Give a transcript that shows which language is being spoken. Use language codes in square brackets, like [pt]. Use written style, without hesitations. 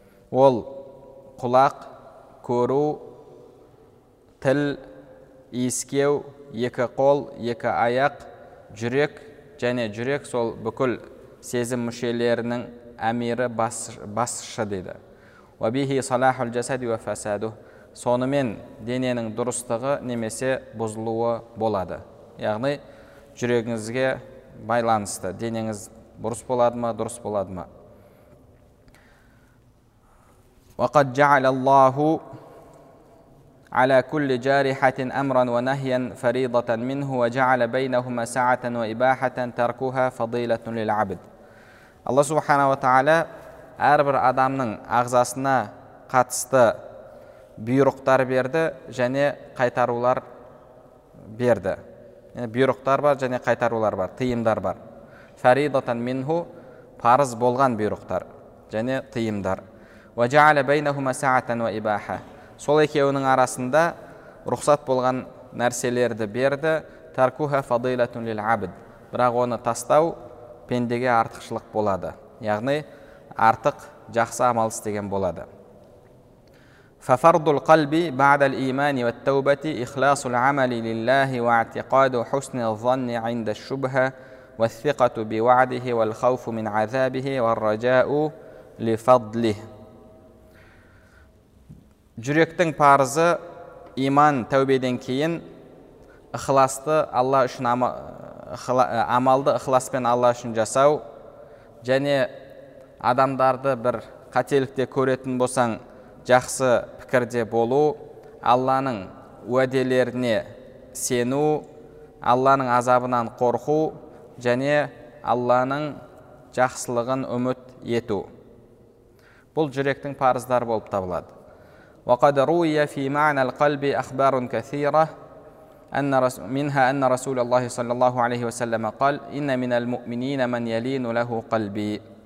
[kk] Ол құлақ, көру, тіл, иіскеу, екі қол, екі аяқ, жүрек, және жүрек сол бүкіл сезім мүшелерінің әмірі, басшы деді. [ar] «Вабихи салахул жасади ва фасаду» [kk] сонымен дененің дұрыстығы немесе бұзылуы болады. Яғни жүрегіңізге байланысты, денеңіз бұрыс болады ма, дұрыс болады ма. [ar] وقد جعل الله على كل جارحة أمرا ونهيا فريضة منه وجعل بينهما ساعة وإباحة تركها فضيلة للعبد. الله سبحانه وتعالى [kk] әрбір адамның ағзасына қатысты бұйрықтар берді және қайтарулар берді. Яғни бұйрықтар бар және қайтарулар бар, тыйымдар бар. [ar] Фаридатан минху [kk] парыз болған бұйрықтар және тыйымдар. [ar] وجعل بينهما ساعة وإباحة. [kk] Сол екеуінің арасында рұқсат болған нәрселерді берді. [ar] Таркуха фадилатун лил абд. [kk] Бірақ оны тастау пендеге артықшылық болады. Яғни артық жақсы амал істеген болады. [ar] ففرض القلب بعد الإيمان والتوبة إخلاص العمل لله واعتقاد حسن الظن عند الشبهة والثقة بوعده والخوف من عذابه والرجاء لفضله. [kk] Жүректің парызы иман тәубеден кейін ықыласты Алла үшін амалды ықыласпен Алла үшін жасау, және адамдарды бір қателікте көретін болсаң жақсы пікірде болу, Алланың уәделеріне сену, Алланың азабынан қорқу және Алланың жақсылығын үміт ету. Бұл жүректің парыздары болып табылады. [ar] وقد روي في معنى القلب أخبار كثيرة منها أن رسول الله صلى الله عليه وسلم قال إن من المؤمنين من يلين له قلبي.